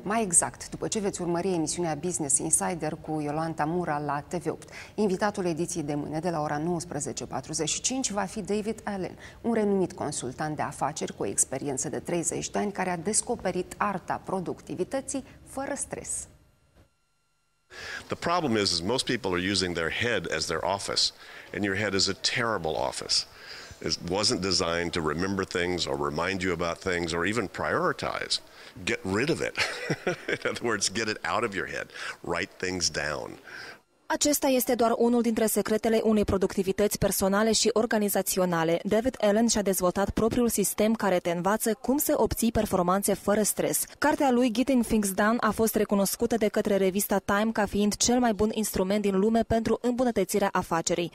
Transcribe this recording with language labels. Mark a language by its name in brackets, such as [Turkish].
[Romanian] Mai exact, după ce veți urmări emisiunea Business Insider cu Iolanta Mura la TV8. Invitatul ediției de mâine de la ora 19:45 va fi David Allen, un renumit consultant de afaceri cu o experiență de 30 de ani care a descoperit arta productivității fără stres. [English] The problem is most people are using their head as their office, and your head is a terrible office. It wasn't designed to remember things or remind you about things or even prioritize. Get rid of it. In other words, get it out of your head. Write things down. [Romanian] Acesta este doar unul dintre secretele unei productivități personale și organizaționale. David Allen și-a dezvoltat propriul sistem care te învață cum să obții performanțe fără stres. Cartea lui Getting Things Done a fost recunoscută de către revista Time ca fiind cel mai bun instrument din lume pentru îmbunătățirea afacerii.